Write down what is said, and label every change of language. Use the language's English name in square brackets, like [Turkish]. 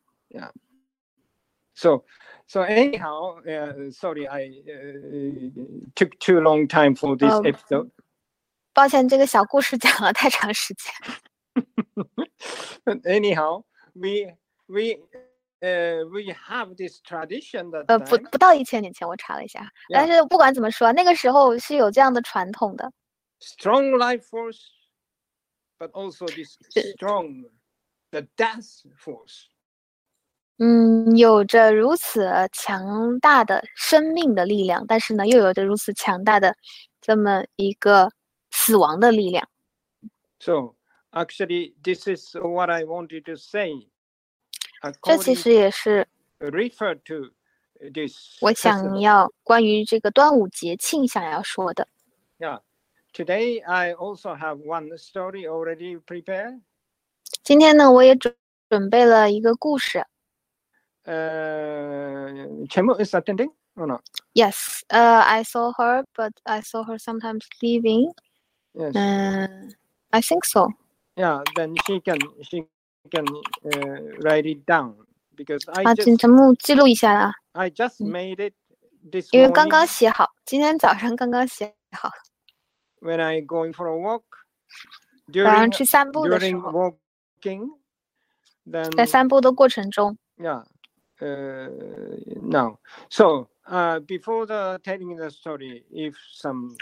[English] Yeah. So. So anyhow, sorry, I took too long time for this episode. [Chinese] 抱歉，这个小故事讲了太长时间。 [English] Anyhow, we have this tradition that [Chinese] 不到一千年前，我查了一下。 [English] Yeah. [Chinese] 但是不管怎么说，那个时候是有这样的传统的。 [English] Strong life force, but also this strong the death force. [Chinese] 有着如此强大的生命的力量，但是呢，又有着如此强大的这么一个死亡的力量。 [English] So, actually, this is what I wanted to say. [Chinese] 这其实也是 [English] refer to this. [Chinese] 我想要关于这个端午节庆想要说的。 [English] Yeah, today I also have one story already prepared. [Chinese] 今天呢，我也准备了一个故事。 [English] Chemo is attending or not? Yes, I saw her, but I saw her sometimes leaving. Yes. I think so. Yeah, then she can write it down because I just. [Chinese] 请陈木记录一下啦。 [English] I just made it this. [Chinese] 因为刚刚写好，今天早上刚刚写好。 [English] When I going for a walk. [Chinese] 早上去散步的时候。 [English] During walking, then. [Chinese] 在散步的过程中。 [English] Yeah. Now, so before the telling the story, if some